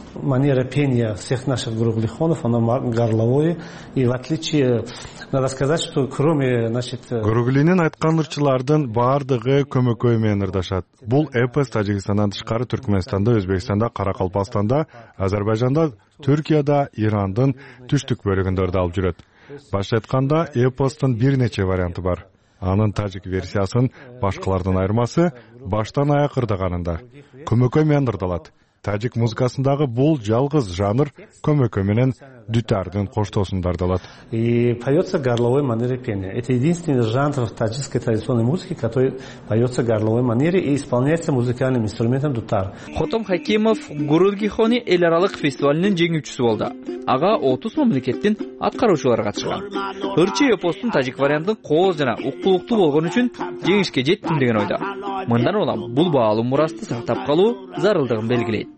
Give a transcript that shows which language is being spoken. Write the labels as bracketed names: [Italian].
[Russian] Манера пения всех наших Гругликонов, оно горловое. И в отличие, надо сказать, что кроме, значит... [Kyrgyz] Гругулинин айткан ырчылардын баардыгы көмөккө менен ырдашат. Бул эпос Тажикстандан тышкары Түркмөнстанда, Өзбекстанда, Каракалпакстанда, Азербайжанда, Түркияда, Ирандын түштүк бөлүгүндө ырдалып жүрөт. Башка айтканда, эпостун бир нече варианты бар. Анын тажик версиясын башкалардын айырмасы баштан аяк ырдаганында. Көмөккө менен ырдалат. Тажик музыкасындагы бул жалгыз жанр көмөккө менен дутардын коштоосунда ырдалат. [Russian] И поётся горловой манере пения. Это единственный жанр в таджикской традиционной музыке, который поётся горловой манере и исполняется музыкальным инструментом дутар. [Kyrgyz] Хотом Хакимов Гурулгихони эл аралык фестивалинин жеңүүчүсү болду. Ага 30 мамлекеттин аткаруучулары катышкан. Ырчы эпостун тажик варианты кооз жана укуктуу болгону үчүн жеңишке жеттим деген ойдо. Мындан улам бул баалуу мурасты сактап калуу зарылдыгын белгилейт.